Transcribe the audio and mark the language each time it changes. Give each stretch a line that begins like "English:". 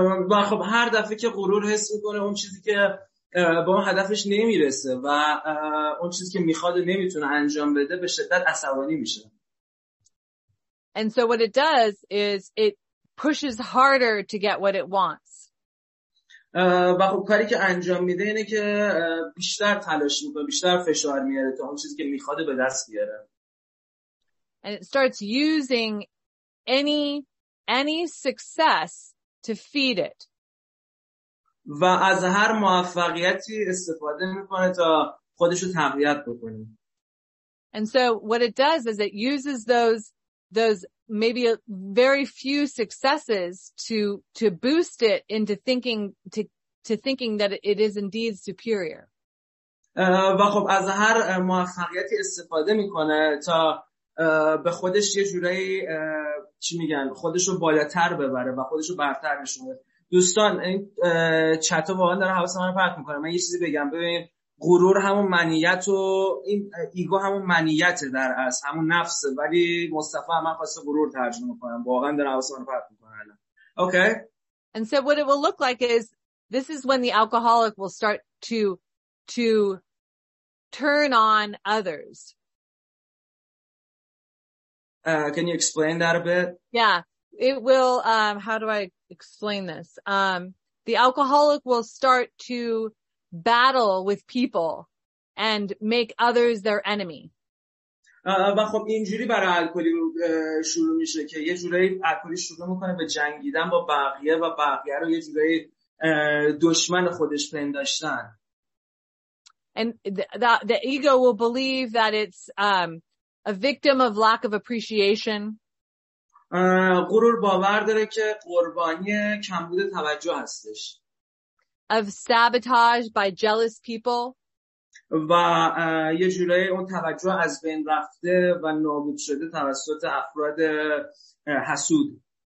Persian: و خب هر دفعه که غرور حس میکنه اون چیزی که به اون هدفش نمیرسه و اون چیزی که میخواد نمیتونه انجام بده به شدت عصبانی میشه.
English: And so what it does is it pushes harder to get what it wants.
Persian: و خب کاری که انجام میده اینه که بیشتر تلاش میکنه، بیشتر فشار میاره تا اون چیزی که میخواد به دست بیاره.
English: And it starts using any success to feed it.
Persian: و از هر موفقیتی استفاده میکنه تا خودشو تقویت بکنه.
English: And so what it does is it uses those maybe a very few successes to boost it into thinking to thinking that it is indeed superior.
Persian: و خب از هر موفقیتی استفاده میکنه تا به خودش یه جوری چی میگن خودشو بالاتر ببره و خودشو برتر نشونه. دوستان این چت واقعا داره حواس ما رو پرت میکنه. من یه چیزی بگم، ببین غرور همون منیت و این ایگو همون منیت در از همون نفسه، ولی مصطفی من خواسته غرور ترجمه کنم، واقعا در حواسمون فرق میکنه الان.
English: Okay. And so what it will look like is this is when the alcoholic will start to turn on others. Can you explain that a bit? Yeah, it will how do I explain this? The alcoholic will start to battle with people and make others their enemy.
Persian: و خب اینجوری برای الکلی شروع میشه که یه جوری الکلی شروع میکنه به جنگیدن با بقیه و بقیه رو یه جوری دشمن خودش پنداشتن.
English: And the ego will believe that it's a victim of lack of appreciation.
Persian: غرور باور داره که قربانی کمبود توجه هستش.
English: Of sabotage by jealous people.
Persian: و یه جورایی اون توجه از بین رفته و نابود شده توسط افراد حسود.